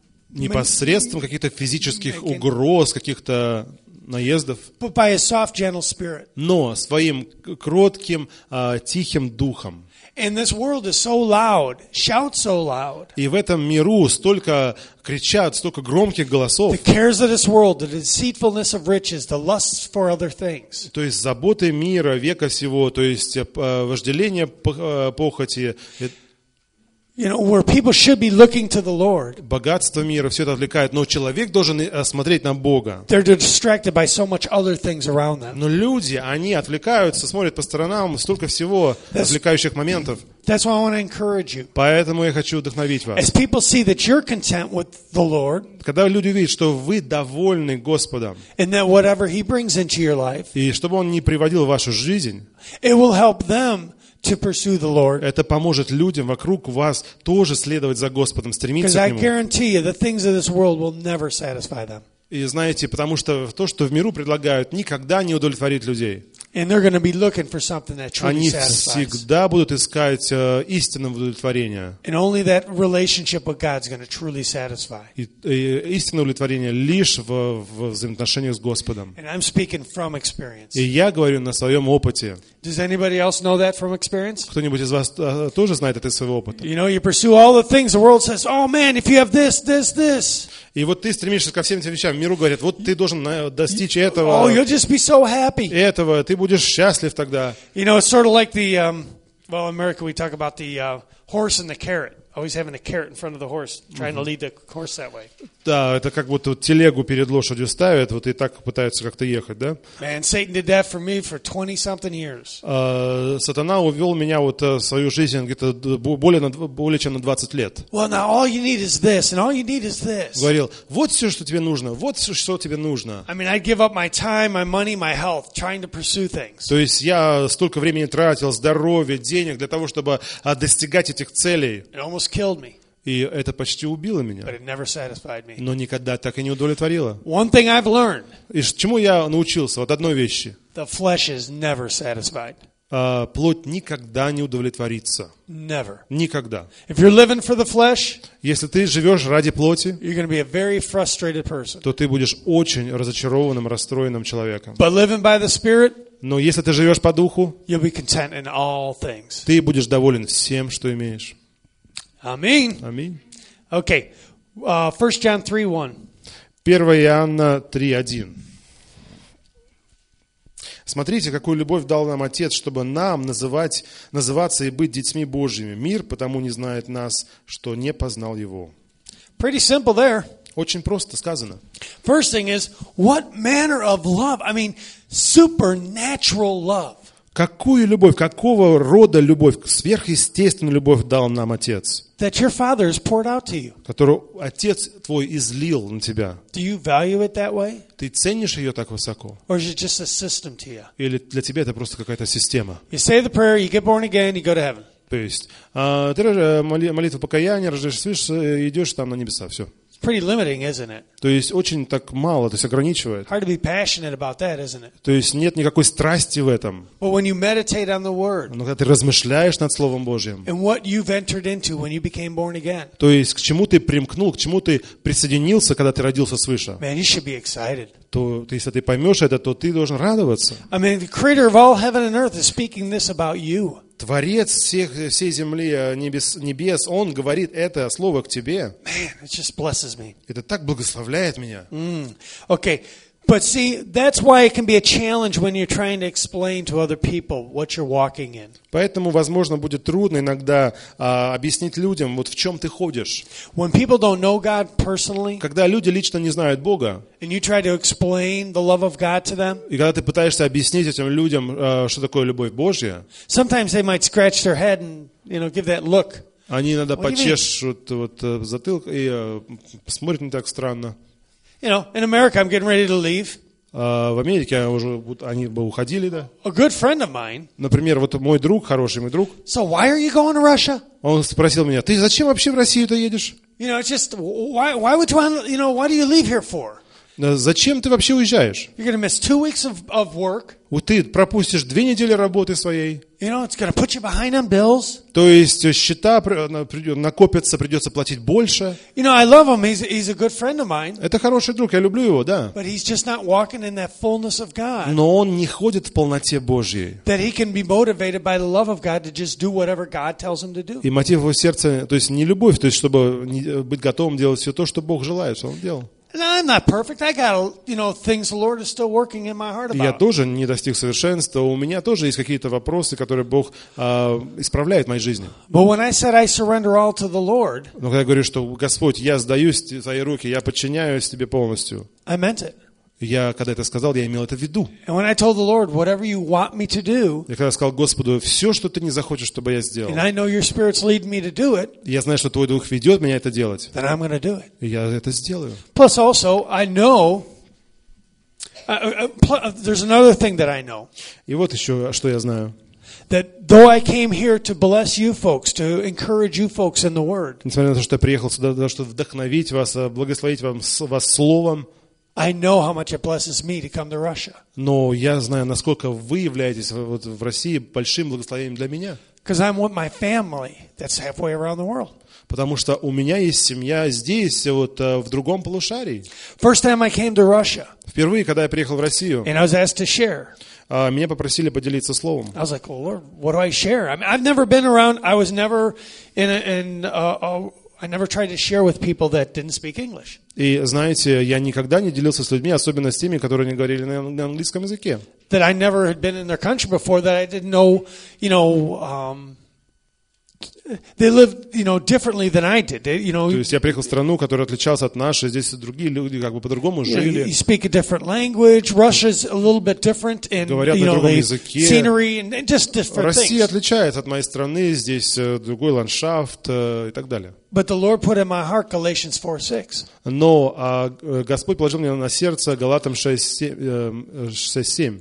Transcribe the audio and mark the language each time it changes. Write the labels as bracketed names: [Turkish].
[Russian] непосредством каких-то физических угроз, каких-то наездов, [English] but by a soft, gentle spirit. [Russian] Но своим кротким, тихим духом. [English] And this world is so loud, shout so loud. [Russian] И в этом миру столько кричат, столько громких голосов. [English] The cares of this world, the deceitfulness of riches, the lusts for other things. [Russian] То есть заботы мира, века сего, то есть вожделение похоти. [English] You know, where people should be looking to the Lord. [Russian] Богатство мира все это отвлекает, но человек должен смотреть на Бога. [English] They're distracted by so much other things around them. [Russian] Но люди, они отвлекаются, смотрят по сторонам, столько всего отвлекающих моментов. [English] That's why I want to encourage you. [Russian] Поэтому я хочу вдохновить вас. [English] As people see that you're content with the Lord. [Russian] Когда люди видят, что вы довольны Господом. [English] And that whatever He brings into your life. [Russian] И чтобы Он не приводил в вашу жизнь. [English] It will help them. To pursue the Lord. [Russian] Это поможет людям вокруг вас тоже следовать за Господом, стремиться к Нему. [English] Because I guarantee you, the things of this world will never satisfy them. [Russian] И знаете, потому что то, что в миру предлагают, никогда не удовлетворит людей. [English] And they're going to be looking for something that truly satisfies. [Russian] Они всегда будут искать истинного удовлетворения. [English] And only that relationship with God is going to truly satisfy. [Russian] И истинное удовлетворение лишь в взаимоотношениях с Господом. [English] And I'm speaking from experience. [Russian] И я говорю на своем опыте. [English] Does anybody else know that from experience? [Russian] Кто-нибудь из вас тоже знает это из своего опыта? [English] You know, you pursue all the things the world says, "Oh man, if you have this, this, this." [Russian] И вот ты стремишься ко всем этим вещам. Миру говорят, вот ты должен достичь этого. [English] Oh, you'll just be so happy. [Russian] Этого, ты будешь счастлив тогда. [English] You know, it's sort of like the, well, in America we talk about the horse and the carrot. Always having a carrot in front of the horse, trying to lead the horse that way. [Russian] Да, это как будто телегу перед лошадью ставят, вот и так пытаются как-то ехать, да? [English] Man, Satan did that for me for 20-something years. [Russian] Сатана увел меня вот свою жизнь где-то более чем на 20 лет. [English] Well, now all you need is this, and all you need is this. [Russian] Говорил, вот все, что тебе нужно, вот все, что тебе нужно. [English] I mean, I'd give up my time, my money, my health, trying to pursue things. [Russian] То есть я столько времени тратил, здоровье, денег для того, чтобы достигать этих целей. [English] Killed me. [Russian] И это почти убило меня. [English] But it never satisfied me. [Russian] Но никогда так и не удовлетворило. [English] One thing I've learned. [Russian] И чему я научился? Вот одной вещи. [English] The flesh is never satisfied. [Russian] Плоть никогда не удовлетворится. [English] Never. [Russian] Никогда. [English] If you're living for the flesh, [Russian] если ты живешь ради плоти, [English] you're going to be a very frustrated person. [Russian] То ты будешь очень разочарованным, расстроенным человеком. [English] But living by the Spirit, [Russian] но если ты живешь по духу, [English] you'll be content in all things. [Russian] Ты будешь доволен всем, что имеешь. Аминь. Аминь. [English] Okay. 1 John 3:1. [Russian] 1 Иоанна 3:1. Смотрите, какую любовь дал нам Отец, чтобы нам называться и быть детьми Божьими. Мир потому не знает нас, что не познал его. [English] Pretty simple there. [Russian] Очень просто сказано. [English] First thing is, what manner of love? I mean, supernatural love. [Russian] Какую любовь, какого рода любовь, сверхъестественную любовь дал нам Отец? [English] That your Father has poured out to you. [Russian] Которую Отец твой излил на тебя. [English] Do you value it that way? [Russian] Ты ценишь ее так высоко? [English] Or is it just a system to you? [Russian] Или для тебя это просто какая-то система? [English] You say the prayer, you get born again, you go to heaven. [Russian] То есть, ты молитва покаяния, рождаешься, идешь там на небеса, все. [English] Pretty limiting, isn't it? [Russian] То есть очень так мало, то есть ограничивает. [English] Hard to be passionate about that, isn't it? [Russian] То есть нет никакой страсти в этом. [English] But when you meditate on the word. [Russian] Но когда ты размышляешь над словом Божьим. [English] And what you've entered into when you became born again. [Russian] То есть к чему ты примкнул, к чему ты присоединился, когда ты родился свыше. [English] Man, you should be excited. [Russian] То если ты поймешь это, то ты должен радоваться. [English] I mean, the creator of all heaven and earth is speaking this about you. [Russian] Творец всех, всей земли, небес, Он говорит это слово к тебе. [English] Man, it just blesses me. [Russian] Это так благословляет меня. [English] Okay. But see, that's why it can be a challenge when you're trying to explain to other people what you're walking in. [Russian] Поэтому, возможно, будет трудно иногда объяснить людям, вот в чем ты ходишь. [English] When people don't know God personally, [Russian] когда люди лично не знают Бога, [English] and you try to explain the love of God to them, [Russian] и когда ты пытаешься объяснить этим людям, что такое любовь Божья, [English] sometimes they might scratch their head and, you know, give that look. [Russian] Они иногда почешут вот затылок и посмотрят не так странно. [English] You know, in America, I'm getting ready to leave. [Russian] В Америке уже они бы уходили, да? [English] A good friend of mine. [Russian] Например, вот мой друг, хороший мой друг. [English] So why are you going to Russia? [Russian] Он спросил меня: "Ты зачем вообще в Россию-то едешь?" [English] You know, it's just why would you want, you know, why do you leave here for? [Russian] Зачем ты вообще уезжаешь? [English] You're gonna miss 2 weeks of work. [Russian] Вот ты пропустишь 2 недели работы своей. [English] You know, it's gonna put you behind on bills. [Russian] То есть счета накопятся, придется платить больше. [English] You know, I love him. He's a good friend of mine. [Russian] Это хороший друг, я люблю его, да. [English] But he's just not walking in that fullness of God. [Russian] Но он не ходит в полноте Божьей. [English] That he can be motivated by the love of God to just do whatever God tells him to do. [Russian] И мотив его сердца, то есть не любовь, то есть чтобы быть готовым делать все то, что Бог желает, что он делал. [English] No, I'm not perfect. I got, you know, things the Lord is still working in my heart about. [Russian] Я тоже не достиг совершенства. У меня тоже есть какие-то вопросы, которые Бог исправляет в моей жизни. [English] But when I said I surrender all to the Lord, [Russian] но когда я говорю, что Господь, я сдаюсь в Твои руки, я подчиняюсь Тебе полностью. [English] I meant it. [Russian] Я когда это сказал, я имел это в виду. [English] And when I told the Lord whatever you want me to do, [Russian] я когда сказал Господу все, что Ты не захочешь, чтобы я сделал. [English] And I know Your Spirit's leading me to do it. [Russian] Я знаю, что Твой Дух ведет меня это делать. [English] Then I'm going to do it. [Russian] Я это сделаю. [English] Plus also I know. There's another thing that I know. [Russian] И вот еще что я знаю. [English] That though I came here to bless you folks, to encourage you folks in the Word. [Russian] Несмотря на то, что я приехал сюда, чтобы вдохновить вас, благословить вас словом. [English] I know how much it blesses me to come to Russia. [Russian] Но я знаю, насколько вы являетесь вот в России большим благословением для меня. [English] Because I'm with my family that's halfway around the world. [Russian] Потому что у меня есть семья здесь, вот в другом полушарии. [English] First time I came to Russia. [Russian] Впервые, когда я приехал в Россию. [English] And I was asked to share. [Russian] Меня попросили поделиться словом. [English] I was like, well, Lord, what do I share? I mean, I've never been around. I was never I never tried to share with people that didn't speak English. [Russian] И знаете, я никогда не делился с людьми, особенно с теми, которые не говорили на английском языке. [English] That I never had been in their country before, that I didn't know, you know, they lived, you know, differently than I did. You know, [Russian] то есть я приехал в страну, которая отличалась от нашей, здесь другие люди как бы по-другому жили. [English] You speak a different language. Russia's a little bit different in, you know, the scenery and just different things. [Russian] Россия отличается от моей страны, здесь другой ландшафт и так далее. [English] But the Lord put in my heart Galatians 4:6. [Russian] Но Господь положил мне на сердце Галатам 6:7.